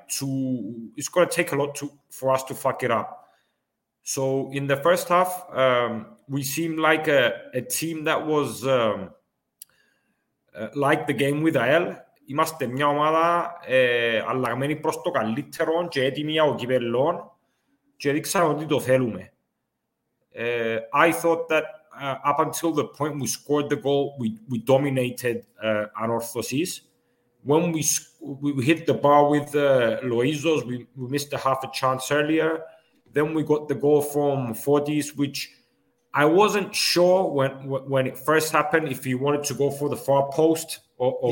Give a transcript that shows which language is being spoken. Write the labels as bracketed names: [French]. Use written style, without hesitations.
[English] It's going to take a lot for us to fuck it up. So in the first half, we seemed like a team that was like the game with AEL. [Greek] Είμαστε μια ομάδα αλλαγμένη προς το καλύτερο και έτοιμη για ο κυπελλόν και δείξαμε ότι το θέλουμε. [English] I thought that up until the point we scored the goal, we dominated ANORTHOSIS. When we hit the bar with Loizos, we missed a half a chance earlier. Then we got the goal from Fortis, which I wasn't sure when it first happened if he wanted to go for the far post or